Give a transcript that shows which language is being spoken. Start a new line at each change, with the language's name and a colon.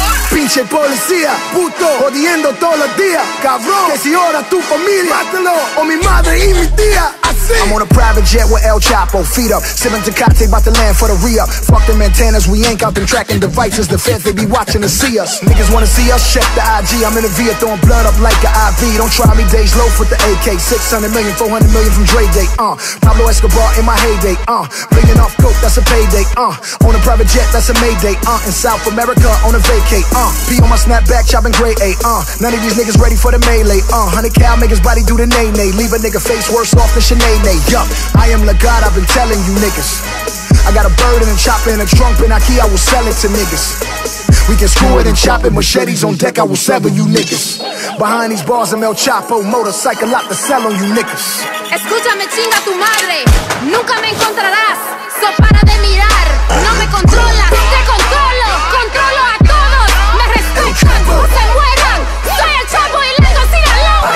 Spanish: Pinche policía, puto, jodiendo todos los días. Cabrón, que si ahora tu familia, mátalo, o mi madre y mi tía.
English: I'm on a private jet with El Chapo, feet up. Sippin' Tecate, bout to land for the re-up. Fuck them antennas, we ain't got them tracking devices. The feds, they be watching to see us. Niggas wanna see us, check the IG. I'm in a Via, throwing blood up like an IV. Don't try me, Dej Loaf with the AK. 600 million, 400 million from Dre Day, Pablo Escobar in my heyday, Bringing off coke, that's a payday, On a private jet, that's a mayday, In South America, on a vacay, Pee on my snapback, chopping gray, None of these niggas ready for the melee, 100 cal, make his body do the nay-nay. Leave a nigga face worse off than Chanel. Yo, I am the God, I've been telling you niggas. I got a bird and a chopper and a trunk and a key, I will sell it to niggas. We can screw it and chop it, machetes on deck, I will sever you niggas. Behind these bars, I'm El Chapo, motorcycle lot to sell on you niggas.
Spanish: Escúchame, chinga tu madre, nunca me encontrarás. So para de mirar, no me controlas, te controlo, controlo a todos. Me respetan, no se mueran, soy El Chapo y lento, síganlo.